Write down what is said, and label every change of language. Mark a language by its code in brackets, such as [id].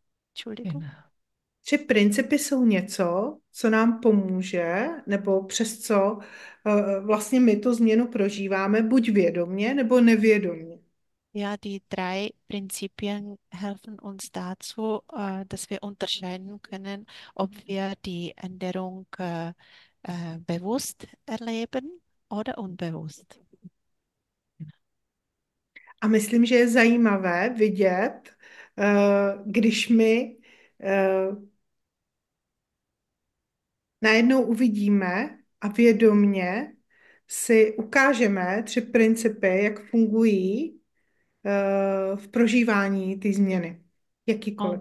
[de] Entschuldigung. Genau. [cs] Tři principy jsou něco, co nám pomůže, nebo přes co vlastně my tu změnu prožíváme, buď vědomě, nebo nevědomě. [de] Ja, die drei Prinzipien helfen uns dazu, dass wir unterscheiden können, ob wir die Änderung bewusst erleben oder unbewusst. [cs] A myslím, že je zajímavé vidět, když my najednou uvidíme a vědomně si ukážeme tři principy, jak fungují v prožívání té změny, jakýkoliv.